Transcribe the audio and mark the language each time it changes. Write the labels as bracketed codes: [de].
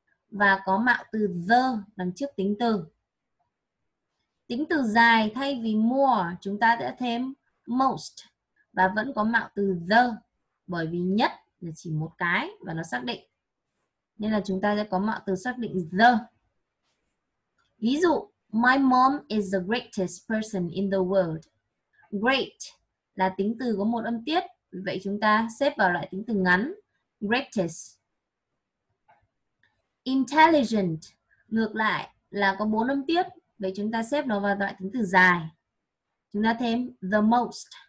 [vi] Và có mạo từ the đằng trước tính từ. Tính từ dài thay vì more, chúng ta sẽ thêm most. Và vẫn có mạo từ the, bởi vì nhất là chỉ một cái và nó xác định. Nên là chúng ta sẽ có mạo từ xác định the. Ví dụ, [en] my mom is the greatest person in the world. [vi] Great là tính từ có một âm tiết. Vậy chúng ta xếp vào loại tính từ ngắn, greatest. Intelligent, ngược lại là có bốn âm tiết. Vậy chúng ta xếp nó vào loại tính từ dài. Chúng ta thêm the most.